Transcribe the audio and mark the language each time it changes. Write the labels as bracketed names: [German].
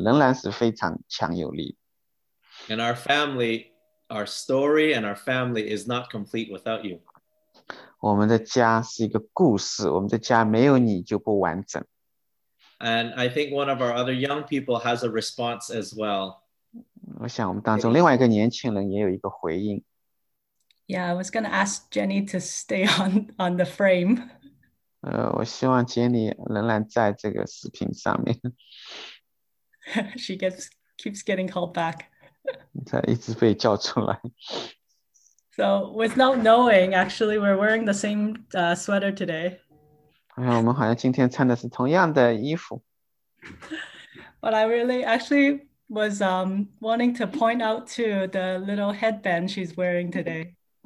[Chinese] 我不知道我们什么时候有这样一个观点，好像说这个见证是已经成就的。实际上是在这个过程当中，这所分享的见证仍然是非常强有力。 [English] And our family, our story and our family is not complete without you. [Chinese] 我们的家是一个故事，我们的家没有你就不完整。 [English] And I think one of our other young people has a response as well. [Chinese] 我想我们当中另外一个年轻人也有一个回应。 [English] Yeah, I was going to ask Jenny to stay on the frame. [Chinese] 我希望Jenny仍然在这个视频上面。 [English] She keeps getting called back. [Chinese] 她一直被叫出来。 [English] So with not knowing, actually, we're wearing the same sweater today. [Chinese] 我们好像今天穿的是同样的衣服。 [English] But I really actually was wanting to point out to the little headband she's wearing today.